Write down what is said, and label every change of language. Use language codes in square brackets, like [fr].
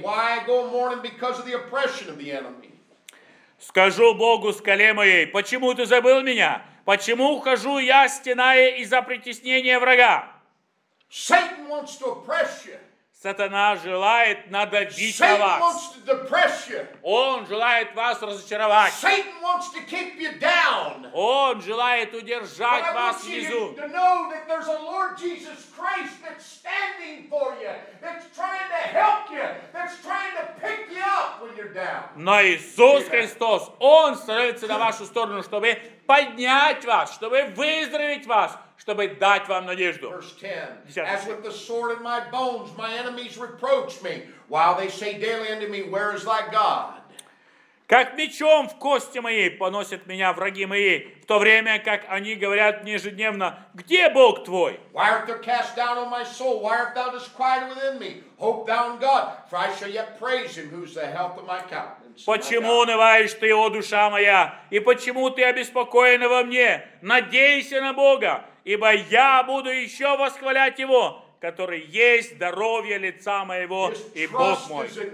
[en] Why I go mourning because of the oppression of the enemy? [ru] Скажу Богу, скале моей, почему ты забыл меня? Почему хожу я, стеная из-за притеснения врага? [en] Satan wants to oppress you. [ru] Сатана желает надавить на вас. Он желает вас разочаровать. [en] Satan wants to keep you down. [ru] Он желает удержать вас внизу. [en] But I want you to know that there's a Lord Jesus Christ that's standing for you, that's trying to help you, that's trying to pick you up when you're down. [ru] Но Иисус Христос, Он становится на вашу сторону, чтобы поднять вас, чтобы выздороветь вас, чтобы дать вам надежду. [en] Verse 10. As with the sword in my bones, my enemies reproach me, while they say daily unto me, where is thy God? [ru] Как мечом в кости моей поносят меня враги мои, в то время как они говорят мне ежедневно, где Бог твой? [en] Why art thou cast down on my soul? Why art thou disquieted within me? Hope thou in God, for I shall yet praise him, who is the help of my countenance. [ru] Почему унываешь ты, о душа моя? И почему ты обеспокоена во мне? Надейся на Бога, ибо я буду еще восхвалять Его, который есть здоровье лица моего и Бог мой.